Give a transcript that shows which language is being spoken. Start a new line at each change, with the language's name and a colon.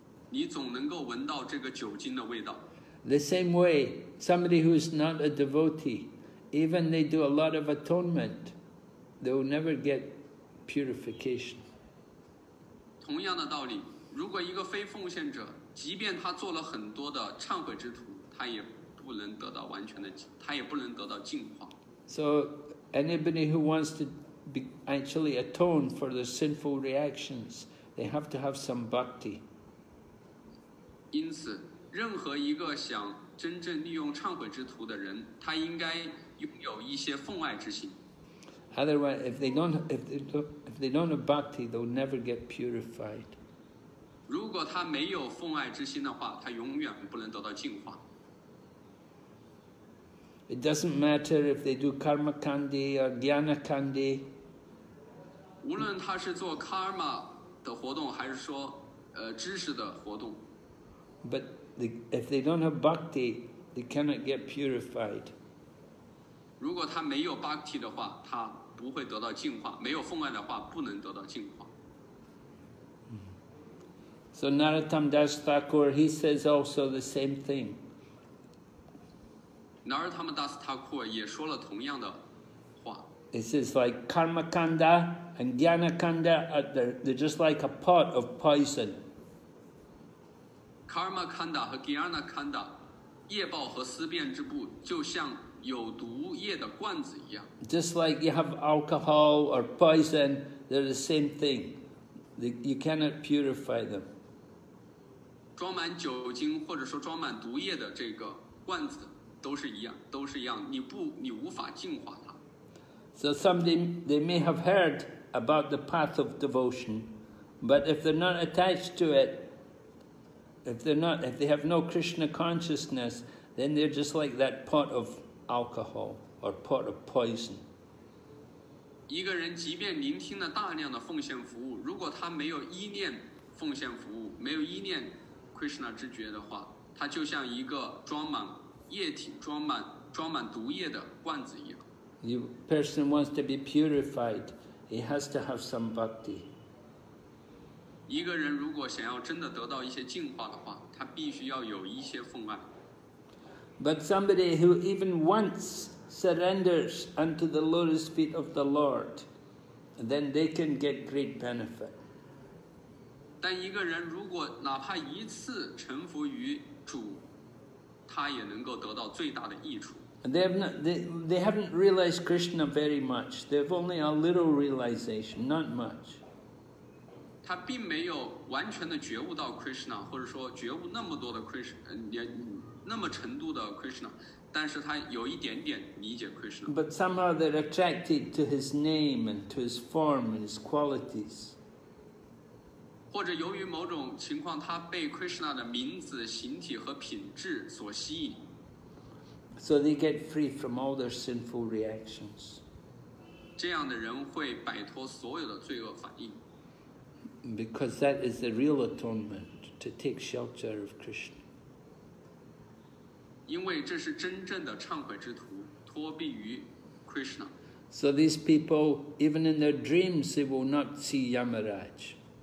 Chinese: 你总能够闻到这个酒精的味道。
English: The same way, somebody who is not a devotee, even they do a lot of atonement, they will never get purification.
Chinese: 同样的道理，如果一个非奉献者，即便他做了很多的忏悔之徒，他也不能得到完全的，他也不能得到净化。
English: So, anybody who wants to actually atone for the sinful reactions, they have to have some bhakti.
Chinese: 因此，任何一个想真正利用忏悔之徒的人，他应该拥有一些奉爱之心。
English: Otherwise, if they don't have bhakti, they'll never get purified.
Chinese: 如果他没有奉爱之心的话，他永远不能得到净化。
English: It doesn't matter if they do karma kandi or jnana kandi.
Chinese: 无论他是做 karma 的活动，还是说，知识的活动。
English: But if they don't have bhakti, they cannot get purified.
Chinese: 如果他没有 bhakti 的话，他不会得到净化。没有奉爱的话，不能得到净化。
English: So Narottam Das Thakur, he says also the same thing.
Chinese: Narottama Das Thakur 也说了同样的话。
English: It says like karma kanda and jnana kanda, they're just like a pot of poison.
Chinese: Karma kanda 和 jnana kanda, 业报和思辨之布就像有毒液的罐子一样。
English: Just like you have alcohol or poison, they're the same thing. You cannot purify them.
Chinese: 装满酒精或者说装满毒液的这个罐子。都是一样，你无法净化它。
English: So somebody they may have heard about the path of devotion, but if they're not attached to it, if they have no Krishna consciousness, then they're just like that pot of alcohol or pot of poison.
Chinese: 一个人即便聆听了大量的奉献服务，如果他没有依念奉献服务，没有依念 Krishna 之觉的话，他就像一个装满。液体装满毒液的罐子一样。
English: You person wants to be purified, he has to have some bhakti.
Chinese: 一个人如果想要真的得到一些净化的话，他必须要有一些奉爱。
English: But somebody who even once surrenders unto the lotus feet of the Lord, then they can get great benefit.
Chinese: 但一个人如果哪怕一次臣服于主。他也能够得到最大的益处。
English: They haven't realized Krishna very much. They have only a little realization, not much.
Chinese: 他并没有完全的觉悟到 Krishna, 或者说觉悟那么多的 Krishna, 那么程度的 Krishna, 但是他有一点点理解 Krishna.
English: But somehow they're attracted to his name and to his form and his qualities.
Chinese: 或者由于某种情况，他被 Krishna 的名字、形体和品质所吸引。
English: So they get free from all their sinful reactions.
Chinese: 这样的人会摆脱所有的罪恶反应。
English: Because that is the real atonement, to take shelter of Krishna.
Chinese: 因为这是真正的忏悔之徒，脱避于 Krishna.
English: So these people, even in their dreams, they will not see Yamaraj.